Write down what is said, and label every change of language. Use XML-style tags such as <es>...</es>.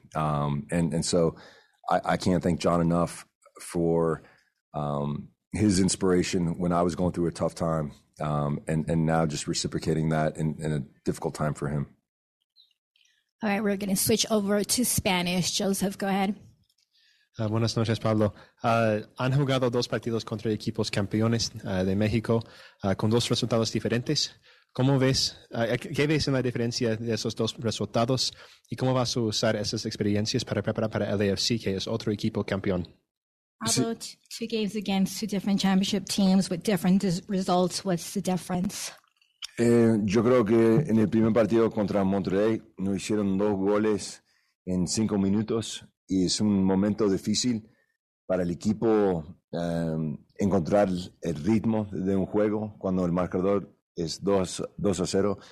<en>And so I can't thank John enough for his inspiration when I was going through a tough time, and now just reciprocating that in a difficult time for him. All right, we're going to switch over to Spanish. Joseph, go ahead.</en> <es>Buenas noches, Pablo. Han jugado dos partidos contra equipos campeones de México con dos resultados diferentes. ¿Cómo ves, qué ves en la diferencia de esos dos resultados y cómo vas a usar esas experiencias para preparar para el LAFC, que es otro equipo campeón?</es> <en>Pablo, two games against two different championship teams with different results, what's the difference?</en> <es>Yo creo que en el primer partido contra Monterrey nos hicieron dos goles en cinco minutos. Y es un momento difícil para el equipo encontrar el ritmo de un juego cuando el marcador es 2-0.</es>